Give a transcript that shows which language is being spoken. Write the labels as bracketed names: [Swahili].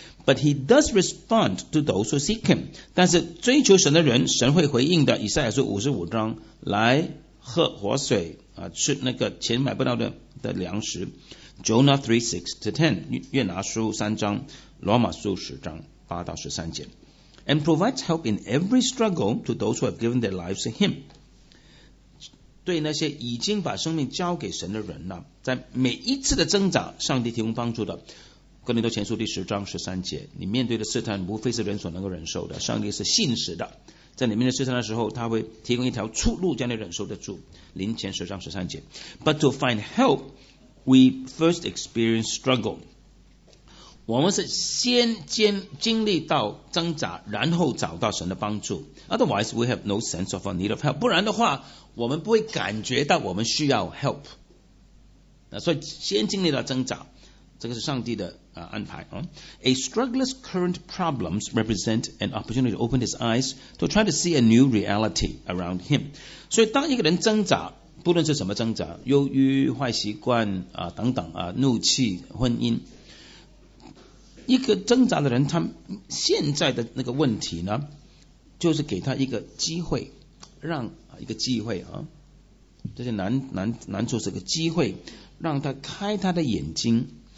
[English] But He does respond to those who seek Him。 [Chinese] 但是追求神的人，神会回应的。以赛亚书55章，来喝活水。吃那个钱买不到 的粮食 Jonah 3:6-10 约拿书3章罗马书10章8-13节 [English] And provides help in every struggle to those who have given their lives to him [Chinese] 对那些已经把生命交给神的人呢，在每一次的挣扎上帝提供帮助的哥林多前书10章13节你面对的试探无非是人所能够忍受的上帝是信实的在你面对试探的时候，他会提供一条出路，将你忍受得住。 [English] 10:13 But to find help, we first experience struggle. [Chinese] 我们是先经历到挣扎，然后找到神的帮助。 [English] Otherwise, we have no sense of our need of help. [Chinese] 不然的话，我们不会感觉到我们需要 help. 所以先经历到挣扎，这个是上帝的安排啊。 [English] A struggler's current problems represent an opportunity to open his eyes to try to see a new reality around him. [Chinese] 所以当一个人挣扎，不论是什么挣扎，忧郁、坏习惯啊等等啊，怒气、婚姻，一个挣扎的人，他现在的那个问题呢，就是给他一个机会，让一个机会啊，这些难处是个机会，让他开他的眼睛。